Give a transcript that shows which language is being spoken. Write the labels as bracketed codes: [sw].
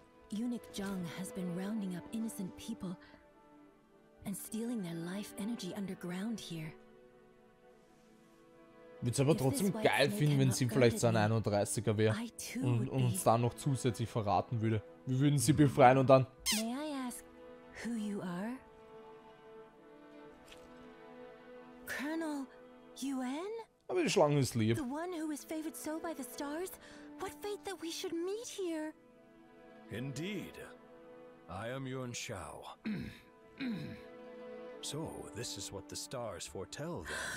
[en] Eunuch Zhang has been rounding up innocent people and stealing their life energy underground here. [de] Würde es aber trotzdem geil finden, wenn sie vielleicht so ein 31er wäre und uns dann noch zusätzlich verraten würde. Wir würden sie befreien und dann... [en] May I ask who you are? Colonel Yuan? [de] Aber die Schlange ist lieb. [en] The one who is favored so by the stars? What fate that we should meet here? Indeed. I am Yuan Shao. So, this is what the stars foretell then.